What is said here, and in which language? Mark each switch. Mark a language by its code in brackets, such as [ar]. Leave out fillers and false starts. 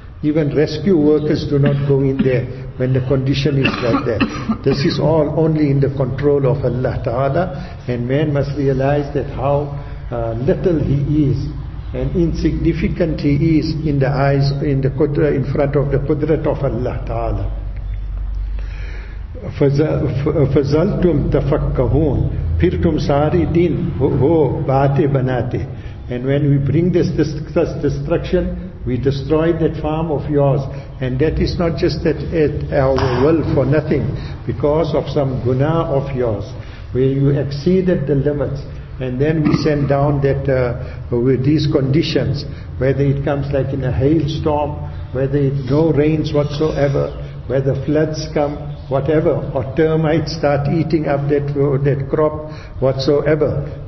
[en] Even rescue workers do not go in there when the condition is like that. This is all only in the control of Allah Ta'ala, and man must realize that how little he is and insignificant he is in the eyes, in front of the Qudrat of Allah Ta'ala. [ar] فَزَلْتُمْ تَفَكَّهُونَ [ur] پھر تم ساری دن وہ باتیں بناتے. [en] And when we bring this destruction, we destroy that farm of yours. And that is not just that at our will for nothing, because of some guna of yours, where you exceeded the limits. And then we send down that with these conditions, whether it comes like in a hailstorm, whether it no rains whatsoever, whether floods come, whatever, or termites start eating up that crop whatsoever.